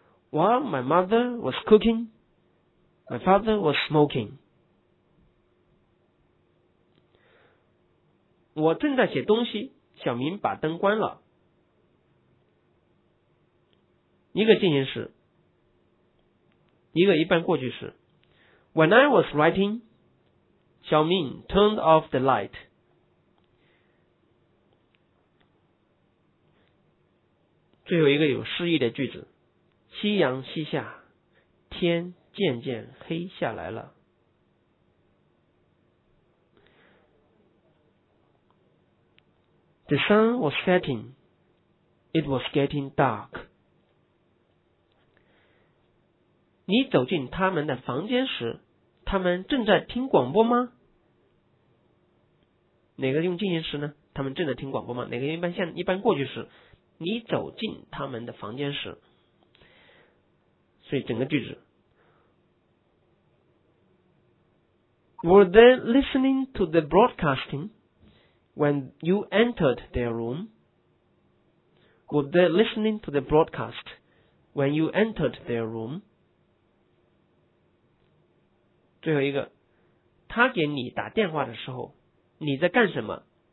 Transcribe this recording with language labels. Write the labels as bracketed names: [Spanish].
[English] While my mother was cooking, my father was smoking. [Chinese] 我正在写东西，小明把灯关了，一个进行时，一个一般过去时。 [English] When I was writing, 小明 turned off the light. [Chinese] 最后一个有诗意的句子，夕阳西下，天渐渐黑下来了。 [English] The sun was setting, it was getting dark. [Chinese] 你走进他们的房间时，他们正在听广播吗？哪个用进行时呢？他们正在听广播吗？哪个一般过去时？你走进他们的房间时。所以整个句子 [English] Were they listening to the broadcasting when you entered their room? Were they listening to the broadcast when you entered their room? [Chinese] 最后一个，他给你打电话的时候，你在干什么？